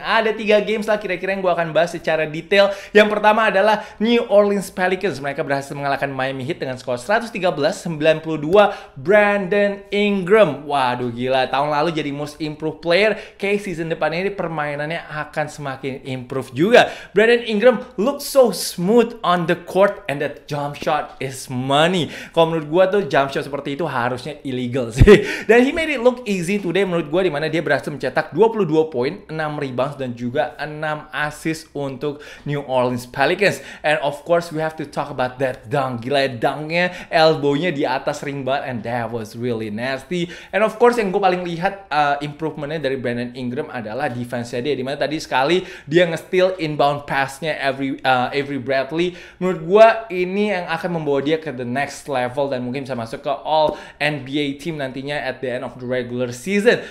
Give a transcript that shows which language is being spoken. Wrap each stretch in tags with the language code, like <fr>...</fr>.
<id>Ada 3 games lah kira-kira yang gue akan bahas secara detail. Yang pertama adalah New Orleans Pelicans. Mereka berhasil mengalahkan Miami Heat dengan skor 113-92. Brandon Ingram, waduh gila, tahun lalu jadi most improved player. Kayak season depannya ini permainannya akan semakin improve juga.</id> <en>Brandon Ingram looks so smooth on the court and that jump shot is money.</en> <id>Kalau menurut gue tuh jump shot seperti itu harusnya illegal sih. Dan</id> <en>he made it look easy today</en> <id>menurut gue, dimana dia berhasil mencetak 22 poin, 6 rebounds, dan juga 6 assist untuk New Orleans Pelicans.</id> <en>And of course, we have to talk about that dunk.</en> <id>Gila ya, dunknya, elbownya di atas ring banget,</id> <en>and that was really nasty. And of course,</en> <id>yang gue paling lihat improvement-nya dari Brandon Ingram adalah defense-nya dia. Dimana tadi sekali dia nge-steal inbound pass-nya Avery Bradley. Menurut gue, ini yang akan membawa dia ke</id> <en>the next level,</en> <id>dan mungkin bisa masuk ke all NBA team nantinya</id> <en>at the end of the regular season.</en>